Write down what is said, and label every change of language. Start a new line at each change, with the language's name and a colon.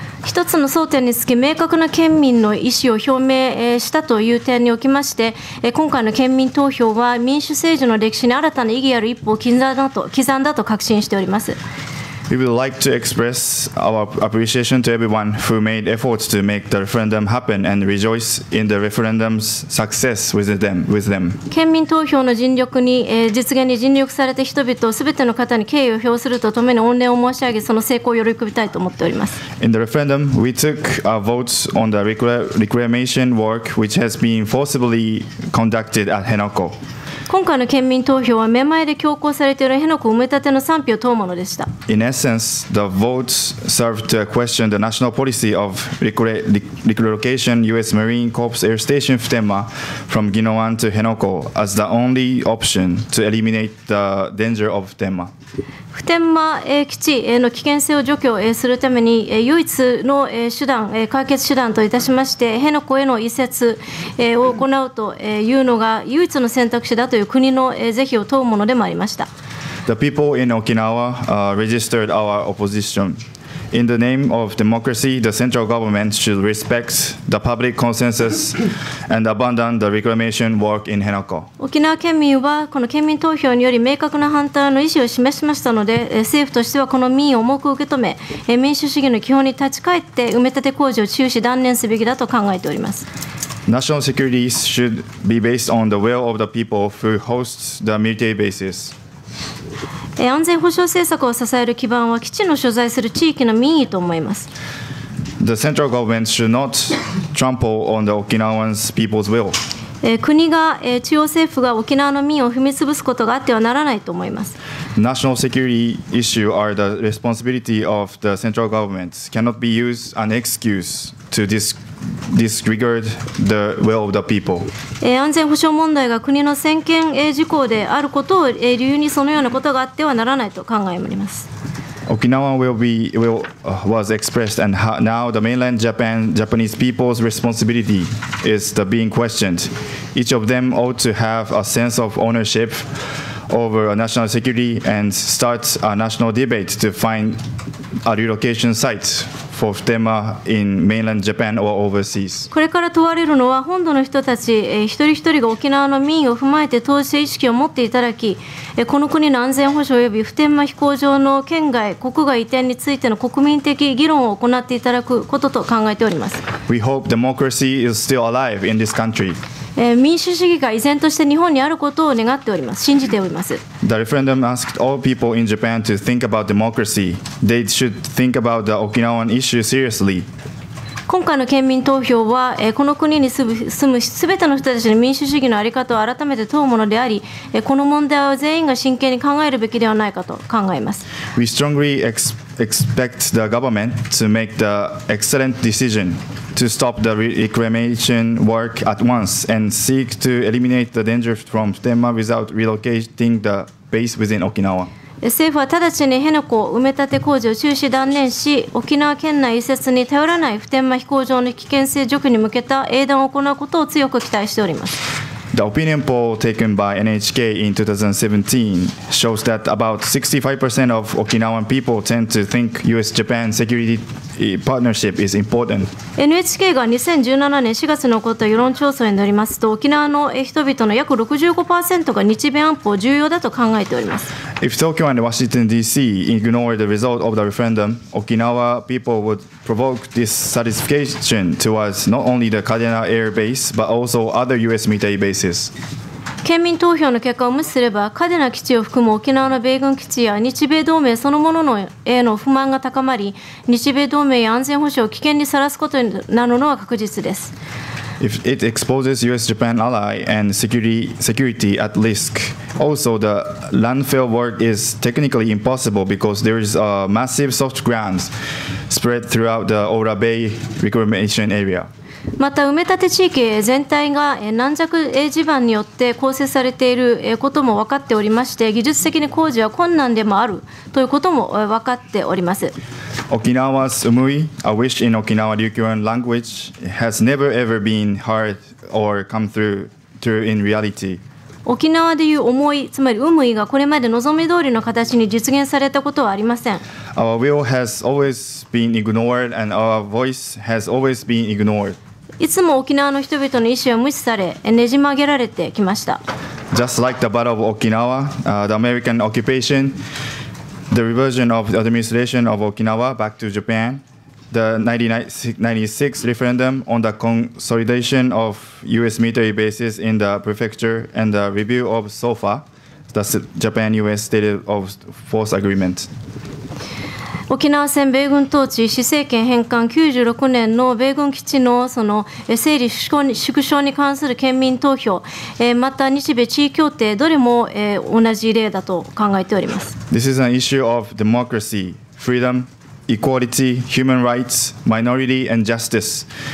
Japanese: 一つの争点につき明確な県民の意思を表明したという点におきまして、今回の県民投票は民主政治の歴史に新たな意義ある一歩を刻んだと確信しております。
English: We would like to express our appreciation to everyone who made efforts to make the referendum happen and rejoice in the referendum's success with them.
Japanese: 県民投票の尽力に、実現に尽力された人々すべての方に敬意を表するとともに御礼を申し上げ、その成功を喜びたいと思っております。
English: In the referendum, we took our votes on the reclamation work which has been forcibly conducted at Henoko.
Japanese: 今回の県民投票は目前で強行されている辺野古埋め立ての賛否を問うものでした。
English: In essence, the votes served to question the national policy of relocation U.S. Marine Corps Air Station Futenma from Ginowan to Henoko as the only option to eliminate the danger of Futenma.
Japanese: 普天間基地の危険性を除去するために唯一の手段、解決手段といたしまして辺野古への移設を行うというのが唯一の選択肢だという国の是非を問うものでもありました。
English: The people in Okinawa registered our opposition. In the name of democracy, the central government should respect the public consensus and abandon the reclamation work in Henoko.
Japanese: 沖縄県民はこの県民投票により明確な反対の意思を示しましたので、政府としてはこの民意を重く受け止め、民主主義の基本に立ち返って埋め立て工事を中止断念すべきだと考えております。
English: National security should be based on the will of the people who host the military bases.
Japanese: 安全保障政策を支える基盤は基地の所在する地域の民意と思います。
English: The central government should not trample on the Okinawan people's will.
Japanese: 国が、中央政府が沖縄の民意を踏み潰すことがあってはならないと思います。
English: National security issues are the responsibility of the central government, cannot be used as an excuse to disregard the will of the people.
Japanese: 安全保障問題が国の専権事項であることを理由にそのようなことがあってはならないと考えます。
English: Okinawa was expressed, and now the mainland Japanese people's responsibility is being questioned. Each of them ought to have a sense of ownership over national security and start a national debate to find a relocation site. For Futenma in mainland Japan or overseas.
Japanese: これから問われるのは本土の人たち一人一人が沖縄の民意を踏まえて当事者意識を持っていただき、この国の安全保障及び普天間飛行場の県外国外移転についての国民的議論を行っていただくことと考えております。
English: We hope democracy is still alive in this country.
Japanese: 民主主義が依然として日本にあることを願っております。信じております。
English: The referendum asked all people in Japan to think about democracy. They should think about the Okinawan issue seriously.
Japanese: 今回の県民投票は、この国に住むすべての人たちの民主主義のあり方を改めて問うものであり、この問題を全員が真剣に考えるべきではないかと考えます。
English: We strongly expect the government to make the excellent decision. To stop the reclamation work at once and seek to eliminate the danger from Futenma without relocating the base within Okinawa.
Japanese: 政府は直ちに辺野古埋め立て工事を中止断念し、沖縄県内移設に頼らない普天間飛行場の危険性除去に向けた英断を行うことを強く期待しております。
English: The opinion poll taken by NHK in 2017 shows that about 65% of Okinawan people tend to think U.S.-Japan security partnership is important.
Japanese: NHK が2017年4月に行った世論調査によりますと、沖縄の人々の約 65% が日米安保を重要だと考えております。
English: If Tokyo and Washington D.C. ignore the result of the referendum, Okinawa people would provoke dissatisfaction towards not only the Kadena Air Base but also other U.S. military bases.
Japanese: 県民投票の結果を無視すれば、嘉手納基地を含む沖縄の米軍基地や日米同盟そのもののへの不満が高まり、日米同盟や安全保障を危険にさらすことになるのは確実です。
English: If it exposes U.S.-Japan ally and security at risk, also the landfill work is technically impossible because there is a massive soft ground spread throughout the Ora Bay reclamation area.
Japanese: また埋め立て地域全体が軟弱地盤によって構成されていることも分かっておりまして、技術的に工事は困難でもあるということも分かっております。沖縄の
English: umui, a wish in Okinawa Ryukyuan language, has never ever been heard or come through in reality.
Japanese: 沖縄でいう思い、つまりウムイがこれまで望み通りの形に実現されたことはありません。
English: Our will has always been ignored and our voice has always been ignored.
Japanese: いつも沖縄の人々の意思は無視され、ねじ曲げられてきました。
English: Just like the Battle of Okinawa, the American occupation, the reversion of the administration of Okinawa back to Japan, the 1996 referendum on the consolidation of U.S. military bases in the prefecture, and the review of SOFA, the Japan-U.S. State of Force Agreement.
Japanese: 沖縄戦米軍統治、施政権返還96年の米軍基地 の、 その整理縮小に関する県民投票、また日米地位協定、どれも同じ例だと考えております。
English: This is an issue of democracy, freedom, equality, human rights, minority and justice.